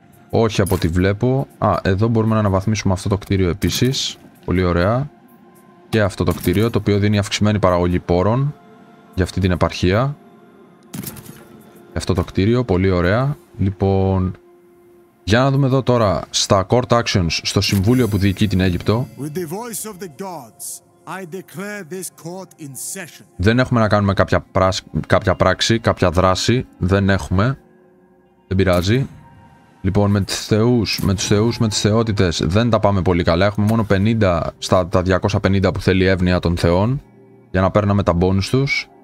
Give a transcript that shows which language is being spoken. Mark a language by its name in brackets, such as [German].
[Greek] Όχι από ό,τι βλέπω. Α, εδώ μπορούμε να αναβαθμίσουμε αυτό το κτίριο επίσης. Πολύ ωραία. Και αυτό το κτίριο, το οποίο δίνει αυξημένη παραγωγή πόρων για αυτή την επαρχία. Αυτό το κτίριο, πολύ ωραία. Λοιπόν, για να δούμε εδώ τώρα στα Court Actions, στο Συμβούλιο που διοικεί την Αίγυπτο. [English] With the voice of the gods, I declare this court in session. [Greek] Δεν έχουμε να κάνουμε κάποια πράξη, κάποια δράση. Δεν έχουμε. Δεν πειράζει. Λοιπόν, με τους θεούς, με τις θεότητες δεν τα πάμε πολύ καλά. Έχουμε μόνο 50 στα τα 250 που θέλει η εύνοια των θεών για να παίρναμε τα bonus τους.